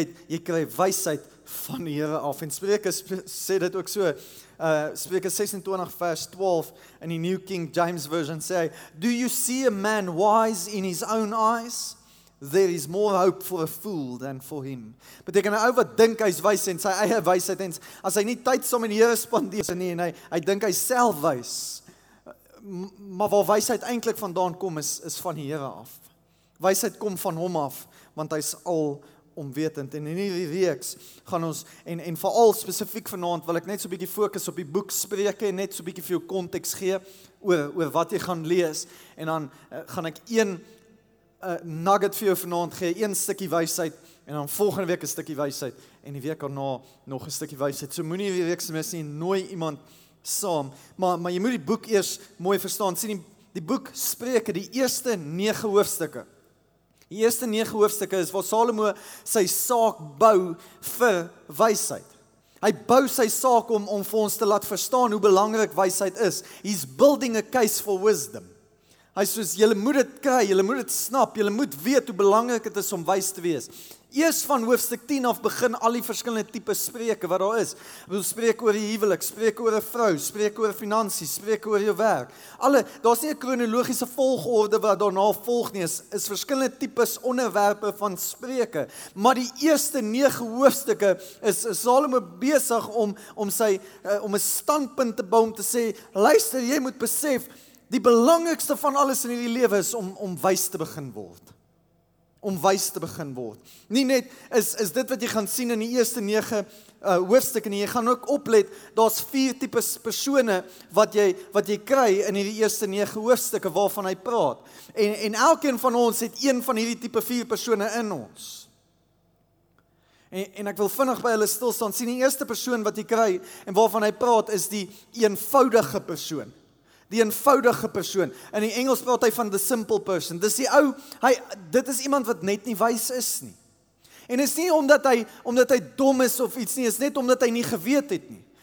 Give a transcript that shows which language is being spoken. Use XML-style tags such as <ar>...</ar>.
<af>Jy kry wysheid van die Here af, en Spreuke sê dit ook so, Spreuke 26 vers 12 in die New King James Version sê,</af> <en>do you see a man wise in his own eyes? There is more hope for a fool than for him.</en> <af>Beteken, hy ou wat dink hy is wys en sy eie wysheid, en as hy nie tyd saam met die Here spandeer nie, en hy dink hy self wys, maar waar wysheid eintlik vandaan kom, is van die Here af. Wysheid kom van hom af, want hy is al omwetend, en in hierdie reeks gaan ons, en veral spesifiek vanavond, wil ek net so bietjie fokus op die boek Spreuke, net so bietjie vir jou konteks gee, oor wat jy gaan lees, en dan gaan ek een nugget vir jou vanavond gee, een stukkie wysheid, en dan volgende week een stukkie wysheid, en die week daarna nog een stukkie wysheid, so moet nie hierdie reeks mis nie, nooi iemand saam, maar jy moet die boek eers mooi verstaan, sien die boek Spreuke, die eerste 9 hoofstukke, Die eerste 9 hoofstukke is waar Salomo sy saak bou vir wysheid. Hy bou sy saak om vir ons te laat verstaan hoe belangrik wysheid is.</af> <en>He's building a case for wisdom.</en> <af>Hy sê, julle moet dit kry, julle moet dit snap, julle moet weet hoe belangrik het is om wys te wees. Eers van hoofstuk 10 af begin al die verskillende type spreke wat daar is. Ek wil spreek oor die huwelik, spreek oor 'n vrou, spreek oor finansies, spreek oor jou werk. Alle, daar is nie 'n kronologiese volgorde wat daarna volg nie, is verskillende types onderwerpe van spreke. Maar die eerste 9 hoofstukke is Salomo besig om 'n standpunt te bou om te sê, luister, jy moet besef, die belangrikste van alles in die lewe is om wys te begin word. Om wys te begin word. Nie net is dit wat jy gaan sien in die eerste 9 hoofstukke nie. Jy gaan ook oplet, daar's 4 types persone wat jy kry in hierdie eerste 9 hoofstukke waarvan hy praat. En elkeen van ons het een van hierdie type 4 persone in ons. En ek wil vinnig by hulle stilstaan. Sien die eerste persoon wat jy kry en waarvan hy praat is die eenvoudige persoon. Die eenvoudige persoon. In die Engels praat hy van</af> <en>the simple person.</en> <af>Dis die ou, dit is iemand wat net nie wys is nie. En is nie omdat hy dom is of iets nie, is net omdat hy nie geweet het nie.</af>